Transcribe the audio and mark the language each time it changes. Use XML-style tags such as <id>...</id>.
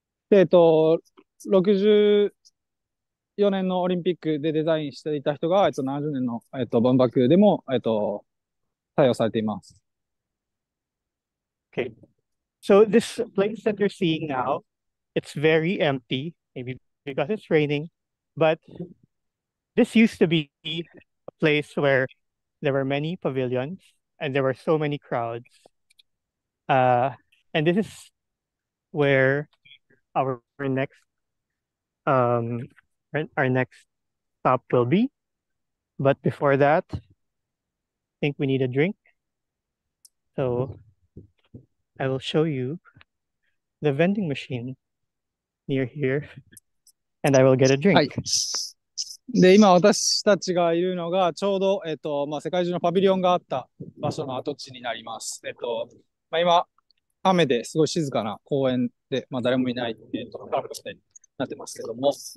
<ja>で、4年のオリンピックでデザインしていた人が、70年の、万博でも、採用されています。</ja> <en>Okay. So this place that you're seeing now, it's very empty, maybe because it's raining, but this used to be a place where there were many pavilions and there were so many crowds. And this is where our next... Our next stop will be. But before that, I think we need a drink. So I will show you the vending machine near here and I will get a drink.、</en> <ja>はい、で、今私たちがいるのがちょうど、まあ、世界中のパビリオンがあった場所の跡地になります。まあ、今、雨ですごい静かな公園で、まあ、誰もいない、パブリオンになってますけども。</ja>